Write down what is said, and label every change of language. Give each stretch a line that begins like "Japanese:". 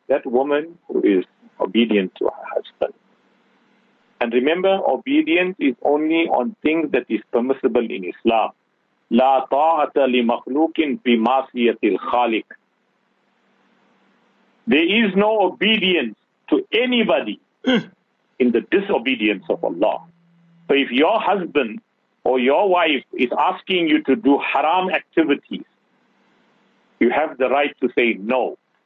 English: That woman who is obedient to her husband. And remember, obedience is only on things that is permissible in Islam.
Arabic: لا طاعة لمخلوق في معصية الخالق.
English: There is no obedience to anybody in the disobedience of Allah. So if your husband or your wife is asking you to do haram activities, you have the right to say no.